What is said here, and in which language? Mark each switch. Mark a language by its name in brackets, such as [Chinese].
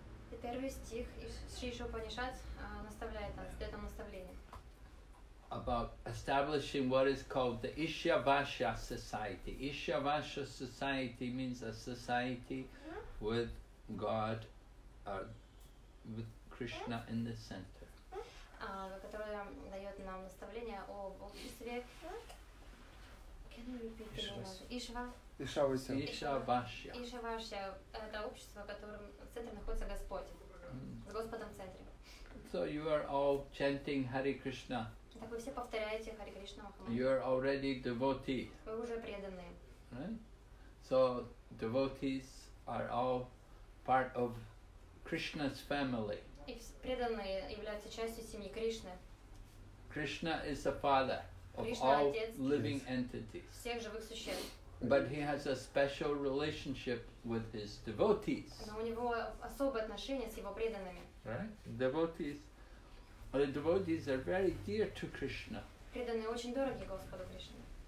[Russian] The первый стих из Sri Ishopanishad наставляет нас, дает нам наставление. [English] About establishing what is called the Ishyavasha society. Ishyavasha society means a society with God, with Krishna in the center. [Russian] Которая дает нам наставление о обществе. [English] Can you repeat the name? Ishva. Ishyavasha. [Russian] Ishyavasha – это общество, в котором в центре находится Господь, с Господом в центре. [English] So you are all chanting Hare Krishna. [Russian] Так вы все повторяете Hare Krishna Mahamantra. [English] You are already devotee. [Russian] Вы уже преданные. [English] Right? So devotees are all part of Krishna's family. [Russian] И преданные являются частью семьи Кришны. [English] Krishna is the father of all living entities. [Russian] Всех живых существ. [English] But he has a special relationship with his devotees. [Russian] Но у него особые отношения с его преданными. [English] Right? Devotees. The devotees are very dear to Krishna. [Russian] Преданные очень дороги Господу Кришне.